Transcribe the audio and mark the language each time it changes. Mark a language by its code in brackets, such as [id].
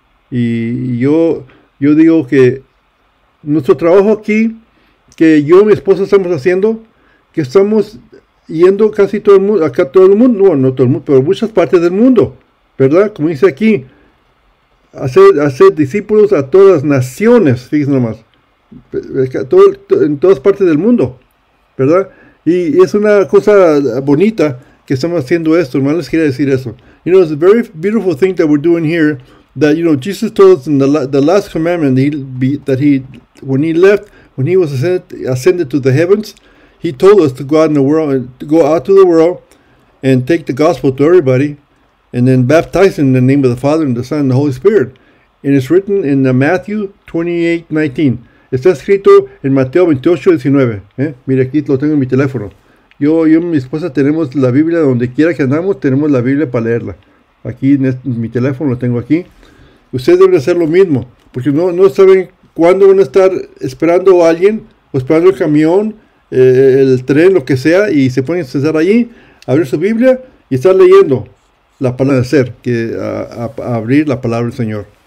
[es] Y yo digo que nuestro trabajo aquí, que yo y mi esposa estamos haciendo, que estamos yendo casi todo el mundo, acá todo el mundo, bueno, no todo el mundo, pero muchas partes del mundo, ¿verdad? Como dice aquí, hacer discípulos a todas las naciones, fíjense nomás, en todas partes del mundo, ¿verdad? Y es una cosa bonita que estamos haciendo esto, hermano, les quería decir eso. [en] It's a very beautiful thing that we're doing here. That Jesus told us in the last commandment when he left, when he was ascended to the heavens, he told us to go out in the world, to go out to the world and take the gospel to everybody, and then baptize in the name of the Father and the Son and the Holy Spirit. And it's written in the Matthew 28:19. [es] Está escrito en Mateo 28:19. Mira, aquí lo tengo en mi teléfono. Yo y mi esposa tenemos la Biblia donde quiera que andamos, tenemos la Biblia para leerla. Aquí en mi teléfono lo tengo aquí. Ustedes deben hacer lo mismo, porque no saben cuándo van a estar esperando a alguien, o esperando el camión, el tren, lo que sea, y se pueden sentar allí, abrir su Biblia y estar leyendo la palabra de ser, que a abrir la palabra del Señor.